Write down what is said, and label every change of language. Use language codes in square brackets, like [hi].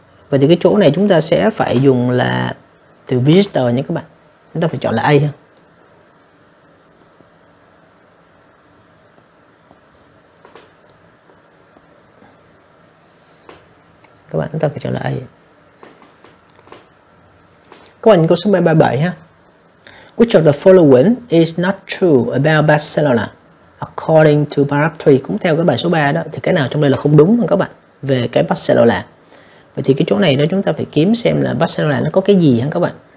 [vi] Vậy thì cái chỗ này chúng ta sẽ phải dùng là từ visitor nha các bạn. Chúng ta phải chọn là A ha. Các bạn chúng ta phải chọn là A. Các bạn nhìn câu số 37 ha. [en] Which of the following is not true about Barcelona? According to paragraph 3, [vi] cũng theo cái bài số 3 đó, thì cái nào trong đây là không đúng không các bạn? Về cái Barcelona. Vậy thì cái chỗ này đó chúng ta phải kiếm xem là Barcelona nó có cái gì hả các bạn.